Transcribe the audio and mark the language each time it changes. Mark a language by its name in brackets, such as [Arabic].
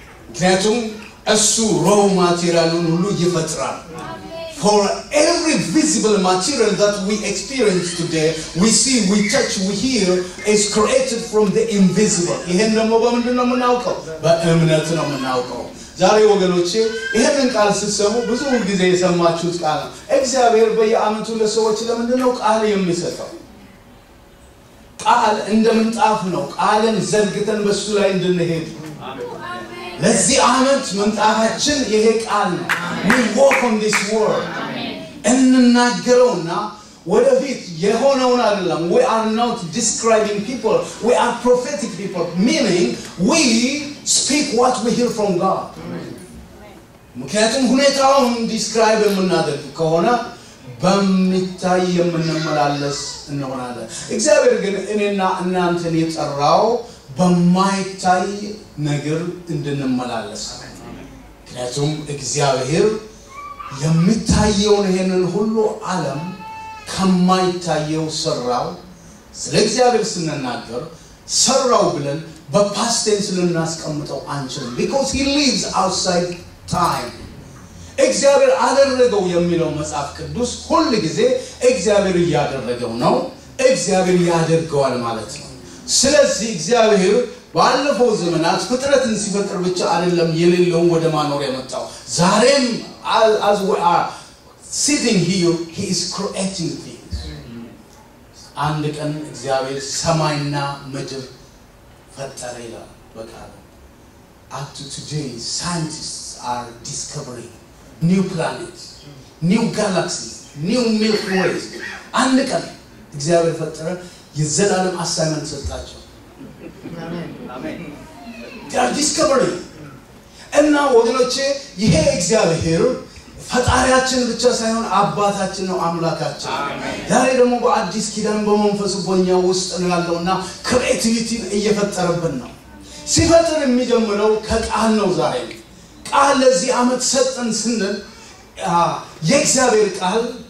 [Amharic] ምክንያቱም እሱ [English] raw material [Amharic] ሁሉ ይፈጥራል [English] for every visible material that we experience today we see we touch we hear is created from the invisible [Amharic] ይሄን ደሞ በመንደነም እናውቀው በእምነት ነው እናውቀው ዛሬ ወገኖቼ ይሄን ቃል ስትሰሙ ብዙ ጊዜ የሰማችሁት ቃል እግዚአብሔር በየአመቱ ለሰዎች ለምንድነው ቃል የሚሰጠው ቃል እንደምንጣፍ ነው ቃልን ዘርግተን በሱ ላይ እንድንሄድ አሜን ለዚህ አመት መንጣፋችን ይሄ ቃል ነው [English] we walk on this world [Amharic] እንናገረውና ወደፊት የሆነውን አይደለም [English] we are not describing people we are prophetic people meaning we speak what we hear from god [Amharic] ምክንያቱም ሁኔታውን ዲስክራይብ የምናደርግ ከሆነ በሚታይ የምንመላለስ እንሆናለን። እግዚአብሔር ግን እኔና እናንተን የጠራው በማይታይ ነገር እንድንመላለስ ነው። ምክንያቱም እግዚአብሔር የምታየውን ይሄንን ሁሉ ዓለም ከማይታየው ሰራው። ስለዚህ ስንናገር ሰራው ብለን በፓስት ቴንስ ልናስቀምጠው አንችልም። [English] Because he lives outside time. [Amharic] እግዚአብሔር አደረገው የሚለው መጽሐፍ ቅዱስ ሁሉ ጊዜ እግዚአብሔር ያደረገው ነው፣ እግዚአብሔር ያደርገዋል ማለት ነው። ስለዚህ እግዚአብሔር ባለፈው ዘመናት ፍጥረትን ሲፈጥር ብቻ አይደለም የሌለው ወደ ማኖር የመጣው፣ ዛሬም [English] as we are sitting here he is creating things. [Amharic] አንድ ቀን እግዚአብሔር ሰማይና ምድር ፈጠረ ይላል በቃሉ። [English] Up to today scientists are discovering new planets, new galaxies, new milky ways. [Amharic] አንድ ቀን እግዚአብሔር ፈጠረ የዘላለም አሳይመንት ሰጣቸው። አሜን። [English] They are discovering. [Amharic] እና ወገኖቼ ይሄ እግዚአብሔር ፈጣሪያችን ብቻ ሳይሆን አባታችን ነው፣ አምላካችን። ዛሬ ደግሞ በአዲስ ኪዳን በመንፈሱ በእኛ ውስጥ ነው ያለውና ክሬቲቪቲን እየፈጠረብን ነው። ሲፈጥር የሚጀምረው ከቃል ነው። ዛሬ ቃል ለዚህ ዓመት ሰጠን ስንል የእግዚአብሔር ቃል